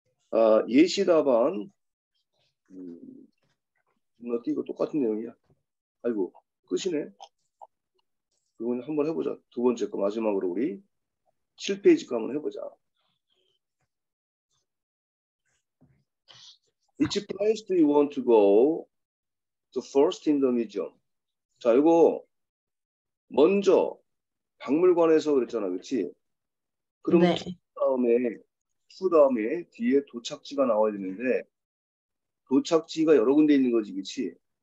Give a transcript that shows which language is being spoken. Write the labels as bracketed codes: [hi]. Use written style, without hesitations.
[ko] 아, 예시 답안. 뭐, 이거 똑같은 내용이야. 아이고, 끝이네. 이건 한번 해보자. 두 번째 거 마지막으로 우리 7페이지 거 한번 해보자. [en] Which place do you want to go to first in the museum? [ko] 자, 이거 먼저 박물관에서 그랬잖아, 그렇지? 그럼 네. 투 다음에 뒤에 도착지가 나와야 되는데 도착지가 여러 군데 있는 거지, 그렇지?